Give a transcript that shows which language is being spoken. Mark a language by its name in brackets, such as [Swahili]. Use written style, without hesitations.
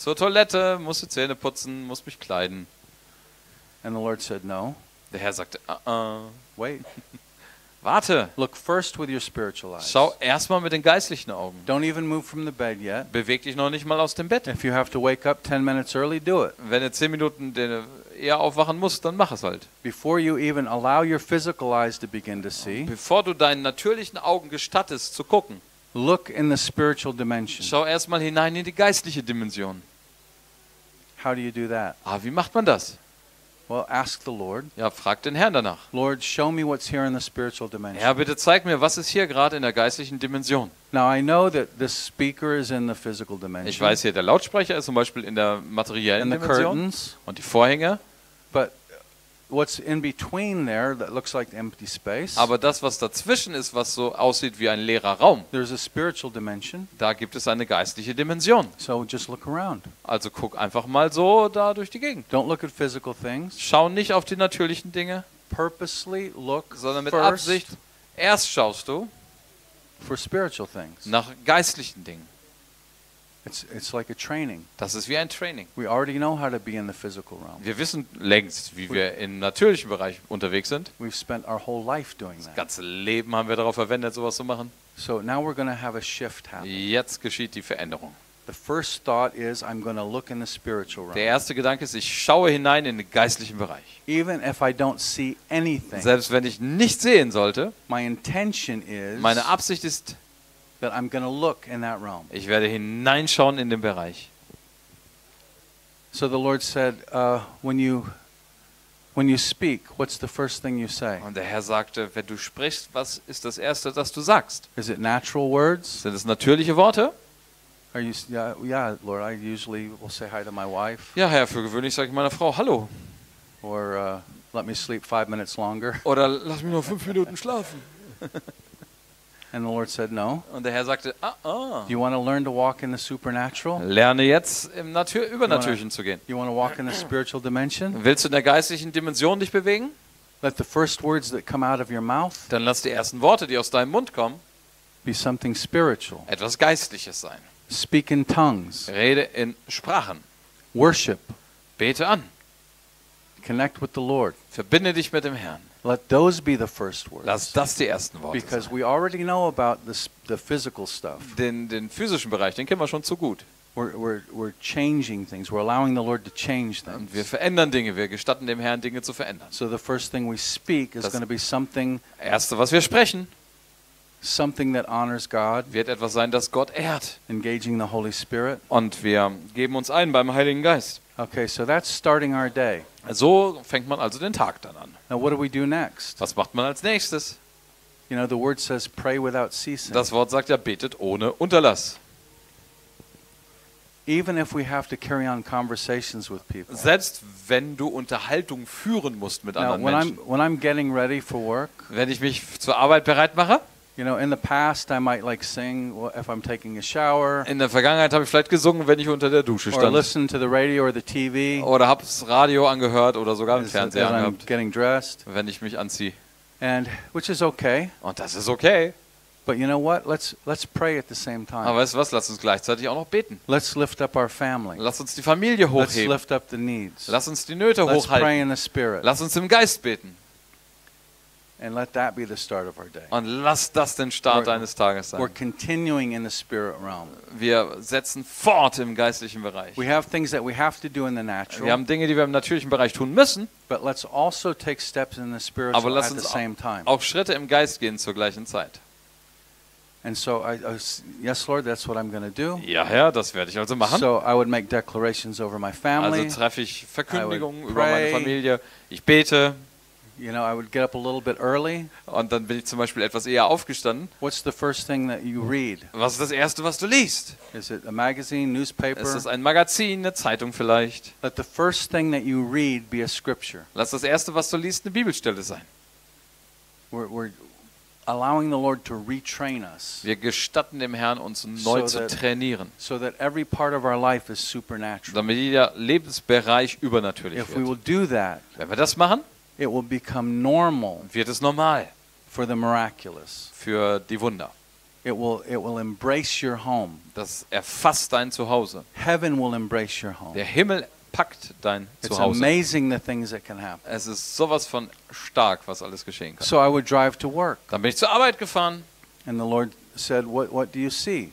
[German] Zur Toilette, muss die Zähne putzen, muss mich kleiden. [English] And the Lord said no. [German] Der Herr sagte, [English] wait. [German] Warte. [English] Look first with your spiritual eyes. [German] Schau erstmal mit den geistlichen Augen. [English] Don't even move from the bed yet. [German] Beweg dich noch nicht mal aus dem Bett. [English] If you have to wake up 10 minutes early, do it. [German] Wenn du 10 Minuten eher aufwachen musst, dann mach es halt. [English] Before you even allow your physical eyes to begin to see. [German] Bevor du deinen natürlichen Augen gestattest zu gucken. [English] Look in the spiritual dimension. [German] Schau erstmal hinein in die geistliche Dimension. [English] How do you do that? [German] Ah, wie macht man das? [English] Well, ask the Lord. [German] Ja, frag den Herrn danach. [English] Lord, show me what's here in the spiritual dimension. [German] Herr, bitte zeig mir, was ist hier gerade in der geistlichen Dimension. [English] Now I know that the speaker is in the physical dimension. [German] Ich weiß hier, der Lautsprecher ist zum Beispiel in der materiellen [English] and [German] Dimension. [English] The curtains, [German] und die Vorhänge. [English] But what's in between there that looks like empty space? [German] Aber das, was dazwischen ist, was so aussieht wie ein leerer Raum. [English] There's a spiritual dimension. [German] Da gibt es eine geistliche Dimension. [English] So just look around. [German] Also guck einfach mal so da durch die Gegend. [English] Don't look at physical things. [German] Schau nicht auf die natürlichen Dinge. [English] Purposely look, [German] sondern mit [English] first [German] Absicht erst schaust du [English] for spiritual things. [German] Nach geistlichen Dingen. [English] It's like a training. [German] Das ist wie ein Training. [English] We already know how to be in the physical realm. [German] Wir wissen längst, wie wir im natürlichen Bereich unterwegs sind. [English] We've spent our whole life doing that. [German] Das ganze Leben haben wir darauf verwendet, sowas zu machen. [English] So now we're going to have a shift happen. [German] Jetzt geschieht die Veränderung. [English] The first thought is I'm going to look in the spiritual realm. [German] Der erste Gedanke ist, ich schaue hinein in den geistlichen Bereich. [English] Even if I don't see anything. [German] Selbst wenn ich nichts sehen sollte. [English] My intention is. [German] Meine Absicht ist. [English] That I'm going to look in that realm. [German] Ich werde hineinschauen in den Bereich. [English] So the Lord said, when you speak, what's the first thing you say? [German] Und der Herr sagte, wenn du sprichst, was ist das erste, das du sagst? [English] Is it natural words? [German] Sind es natürliche Worte? [English] Are you, yeah, Lord, I usually will say hi to my wife. [German] Ja, Herr, für gewöhnlich sage ich meiner Frau hallo. [English] Or let me sleep 5 minutes longer. [German] Oder lass mich nur 5 Minuten schlafen. [English] And the Lord said no. [German] Und der Herr sagte, [English] You want to learn to walk in the supernatural? [German] Lerne jetzt im Übernatürlichen zu gehen. [English] You want to walk in the spiritual dimension? [German] Willst du in der geistlichen Dimension dich bewegen? [English] Let the first words that come out of your mouth. [German] Dann lass die ersten Worte, die aus deinem Mund kommen, [English] be something spiritual. [German] Etwas Geistliches sein. [English] Speak in tongues. [German] Rede in Sprachen. [English] Worship. [German] Bete an. [English] Connect with the Lord. [German] Verbinde dich mit dem Herrn. [English] Let those be the first words. [German] Lass das die ersten Worte [English] because [German] sein. [English] We already know about the physical stuff. [German] Den physischen Bereich, den kennen wir schon zu gut. [English] We're changing things. We're allowing the Lord to change things. [German] Und wir verändern Dinge, wir gestatten dem Herrn Dinge zu verändern. [English] So the first thing we speak is going to be something. [German] Erste, was wir sprechen, [English] something that honors God. [German] Wird etwas sein, das Gott ehrt. [English] Engaging the Holy Spirit. [German] Und wir geben uns ein beim Heiligen Geist. [English] Okay, so that's starting our day. [German] So fängt man also den Tag dann an. [English] Now what do we do next? [German] Was macht man als nächstes? [English] You know, the word says pray without ceasing. [German] Das Wort sagt ja, betet ohne Unterlass. [English] Even if we have to carry on conversations with people. [German] Selbst wenn du Unterhaltung führen musst mit anderen Menschen. [English] When I'm getting ready for work. [German] Wenn ich mich zur Arbeit bereit mache. [English] You know, in the past I might like sing if I'm taking a shower. [German] In der Vergangenheit habe ich vielleicht gesungen, wenn ich unter der Dusche stand. [English] Or listen to the radio or the TV. [German] Oder habe das Radio angehört oder sogar im Fernseher angehabt. [English] I'm getting dressed. [German] Wenn ich mich anziehe. [English] And which is okay. [German] Und das ist okay. [English] But you know what? Let's pray at the same time. [German] Aber weißt du was? Lass uns gleichzeitig auch noch beten. [English] Let's lift up our family. [German] Lass uns die Familie hochheben. [English] Let's lift up the needs. [German] Lass uns die Nöte hochhalten. [English] Let's pray in the spirit. [German] Lass uns im Geist beten. [English] And let that be the start of our day. [German] Und lass das den Start deines Tages sein. [English] We're continuing in the spirit realm. [German] Wir setzen fort im geistlichen Bereich. [English] We have things that we have to do in the natural. [German] Wir haben Dinge, die wir im natürlichen Bereich tun müssen. [English] But let's also take steps in the spiritual at the same time. [German] Aber lass uns auch Schritte im Geist gehen zur gleichen Zeit. [English] And so yes Lord, that's what I'm going to do. [German] Ja Herr, das werde ich also machen. [English] So I would make declarations over my family. [German] Also treffe ich Verkündigungen über meine Familie. Ich bete. [English] You know, I would get up a little bit early. [German] Und dann bin ich zum Beispiel etwas eher aufgestanden. [English] What's the first thing that you read? [German] Was ist das erste, was du liest? [English] Is it a magazine, newspaper? [German] Ist es ein Magazin, eine Zeitung vielleicht? [English] Let the first thing that you read be a scripture. [German] Lass das erste, was du liest, eine Bibelstelle sein. [English] We're allowing the Lord to retrain us. [German] Wir gestatten dem Herrn, uns neu zu trainieren. [English] So that every part of our life is supernatural. [German] Damit jeder Lebensbereich übernatürlich wird. [English] If we will do that. [German] Wenn wir das machen. [English] It will become normal. [German] Wird es normal? [English] For the miraculous. [German] Für die Wunder. [English] It will embrace your home. [German] Das erfasst dein Zuhause. [English] Heaven will embrace your home. [German] Der Himmel packt dein Zuhause. [English] It's amazing the things that can happen. [German] Es ist sowas von stark, was alles geschehen kann. [English] So I would drive to work. [German] Dann bin ich zur Arbeit gefahren. [English] And the Lord said, "What do you see?"